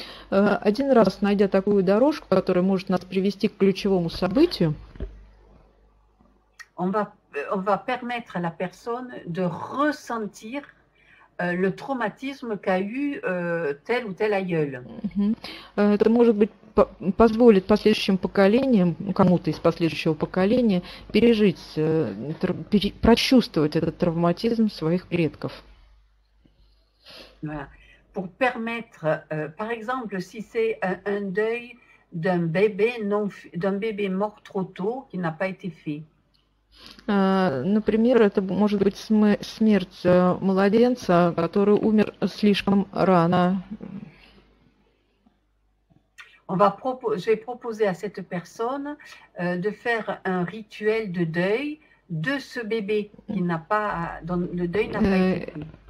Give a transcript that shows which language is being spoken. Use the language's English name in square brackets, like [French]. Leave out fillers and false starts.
[Russian] Один раз, найдя такую дорожку, которая может нас привести к ключевому событию, [French] on va on va permettre à la personne de ressentir le traumatisme qu'a eu tel ou tel aïeul. [Russian] Это может быть позволит последующим поколениям, кому-то из последующего поколения пережить, прочувствовать этот травматизм своих предков. [French] Voilà. Pour permettre, par exemple, si c'est un deuil d'un bébé non, d'un bébé mort trop tôt qui n'a pas été fait. [Russian] Например, это может быть смерть младенца, который умер слишком рано. [French] On va je vais proposer à cette personne de faire un rituel de deuil de ce bébé qui n'a pas, dont le deuil n'a pas été fait.